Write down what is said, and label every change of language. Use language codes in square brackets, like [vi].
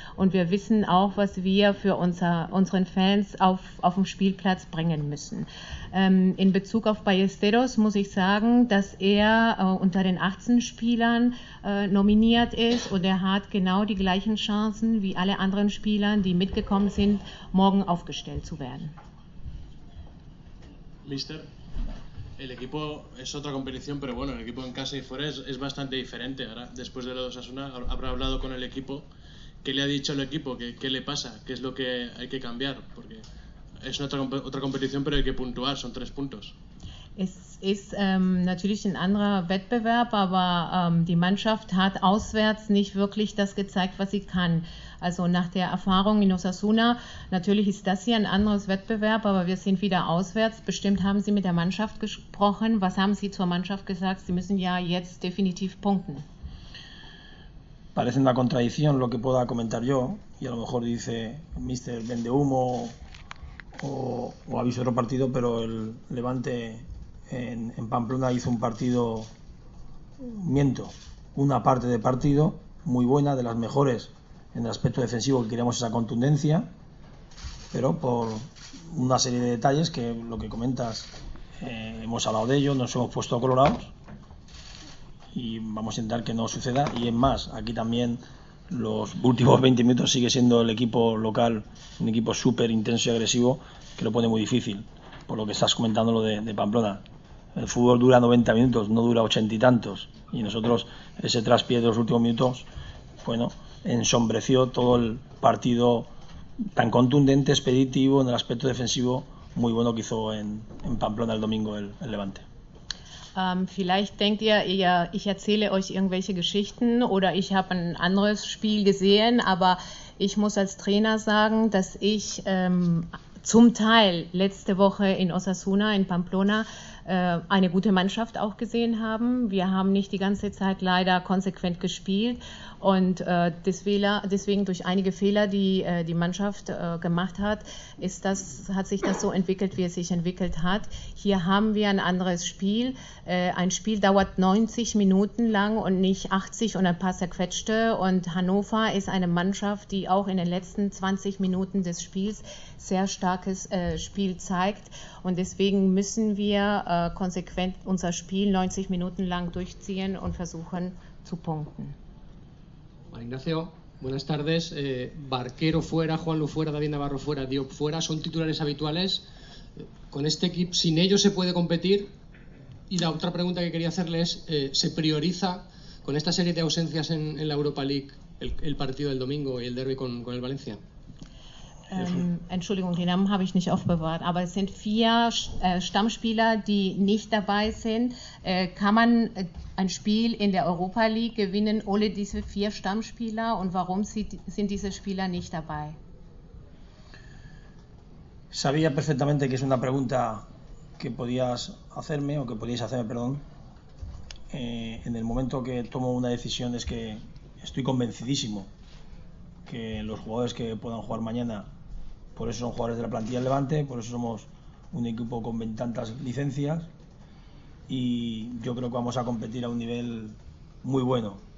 [de] Und wir wissen auch, was wir für unseren Fans auf dem Spielplatz bringen müssen. In Bezug auf Ballesteros muss ich sagen, dass er unter den 18 Spielern nominiert ist und er hat genau die gleichen Chancen wie alle anderen Spieler, die mitgekommen sind, morgen aufgestellt zu werden. [es] Mister, el equipo es otra competición, pero bueno, el equipo en casa y fuera es bastante diferente. Ahora, después de lo de Osasuna, habrá hablado con el equipo. ¿Qué le ha dicho el equipo? ¿Qué le pasa? ¿Qué es lo que hay que cambiar? Porque es otra competición, pero hay que puntuar, son tres puntos. [de] Es ist natürlich ein anderer Wettbewerb, aber die Mannschaft hat auswärts nicht wirklich das gezeigt, was sie kann. Also nach der Erfahrung in Osasuna, natürlich ist das hier ein anderes Wettbewerb, aber wir sind wieder auswärts. Bestimmt haben Sie mit der Mannschaft gesprochen. Was haben Sie zur Mannschaft gesagt? Sie müssen ja jetzt definitiv punkten. [es] Parece una contradicción lo que pueda comentar yo, y a lo mejor dice Mr. Vendehumo o aviso otro partido, pero el Levante en Pamplona hizo un partido, miento, una parte de partido muy buena, de las mejores en el aspecto defensivo, que queríamos esa contundencia, pero por una serie de detalles que lo que comentas, hemos hablado de ello, nos hemos puesto colorados y vamos a intentar que no suceda. Y es más, aquí también los últimos 20 minutos sigue siendo el equipo local un equipo súper intenso y agresivo que lo pone muy difícil, por lo que estás comentando lo de Pamplona. El fútbol dura 90 minutos, no dura 80 y tantos, y nosotros ese traspié de los últimos minutos, bueno, ensombreció todo el partido tan contundente, expeditivo, en el aspecto defensivo, muy bueno que hizo en Pamplona el domingo el Levante. [de] Vielleicht denkt ihr, ich erzähle euch irgendwelche Geschichten oder ich habe ein anderes Spiel gesehen, aber ich muss als Trainer sagen, dass ich zum Teil letzte Woche in Osasuna, in Pamplona, eine gute Mannschaft auch gesehen haben. Wir haben nicht die ganze Zeit leider konsequent gespielt und deswegen durch einige Fehler, die die Mannschaft gemacht hat, hat sich das so entwickelt, wie es sich entwickelt hat. Hier haben wir ein anderes Spiel. Ein Spiel dauert 90 Minuten lang und nicht 80 und ein paar zerquetschte. Und Hannover ist eine Mannschaft, die auch in den letzten 20 Minuten des Spiels sehr starkes Spiel zeigt. Und deswegen müssen wir konsequent unser Spiel 90 Minuten lang durchziehen und versuchen zu punkten. [es] Juan Ignacio, buenas tardes. Barquero fuera, Juan Lu fuera, David Navarro fuera, Diop fuera, son titulares habituales. Con este equipo, sin ellos se puede competir. Y la otra pregunta que quería hacerle es, ¿se prioriza con esta serie de ausencias en la Europa League el partido del domingo y el derbi con el Valencia? [de] Entschuldigung, den Namen habe ich nicht aufbewahrt, aber es sind vier Stammspieler, die nicht dabei sind. Kann man ein Spiel in der Europa League gewinnen ohne diese vier Stammspieler und warum sind diese Spieler nicht dabei? [es] Sabía perfectamente que es una pregunta que podías hacerme o que podíais hacerme, perdón. En el momento que tomo una decisión es que estoy convencidísimo que los jugadores que puedan jugar mañana, por eso son jugadores de la plantilla del Levante, por eso somos un equipo con veintitantas licencias y yo creo que vamos a competir a un nivel muy bueno.